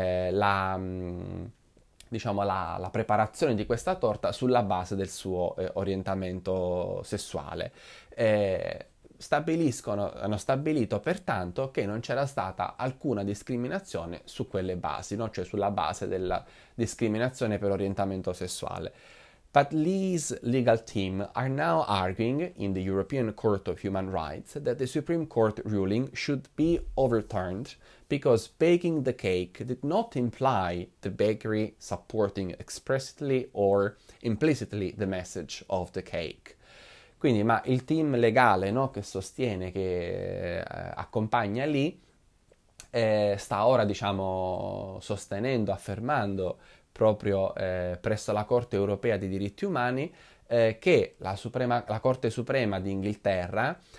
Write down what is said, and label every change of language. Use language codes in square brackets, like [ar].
[it] La preparazione di questa torta sulla base del suo orientamento sessuale. Hanno stabilito pertanto che non c'era stata alcuna discriminazione su quelle basi, no? Cioè sulla base della discriminazione per orientamento sessuale. [en] But Lee's legal team are now arguing in the European Court of Human Rights that the Supreme Court ruling should be overturned. Because baking the cake did not imply the bakery supporting expressly or implicitly the message of the cake. [it] Quindi, ma il team legale, no, che sostiene, che accompagna lì, sta ora, diciamo, sostenendo, affermando proprio presso la Corte Europea di Diritti Umani che la Corte Suprema di Inghilterra.